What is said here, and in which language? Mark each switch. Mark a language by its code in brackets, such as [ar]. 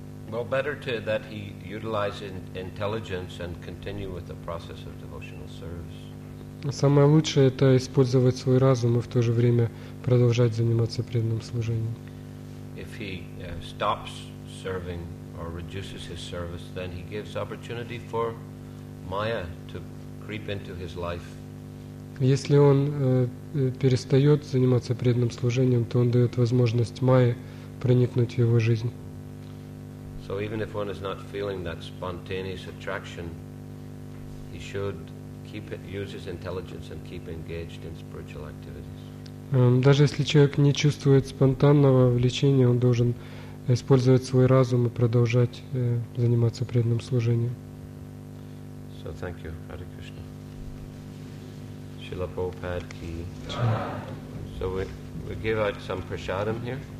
[en] Well, better to that he utilize intelligence and continue with the process of devotional service. [ru] Самое лучшее – это использовать свой разум и в то же время продолжать заниматься преданным служением. [en] If he stops serving or reduces his service, then he gives opportunity for Maya to creep into his life. [ru] Если он перестает заниматься преданным служением, то он дает возможность Майе проникнуть в его жизнь. [en] So even if one is not feeling that spontaneous attraction, he should use his intelligence and keep engaged in spiritual activities. [ru] Даже если человек не чувствует спонтанного влечения, он должен использовать свой разум и продолжать заниматься преданным служением. [en] So thank you, Hare Krishna. Srila Prabhupada ki. So we give out some prasadam here.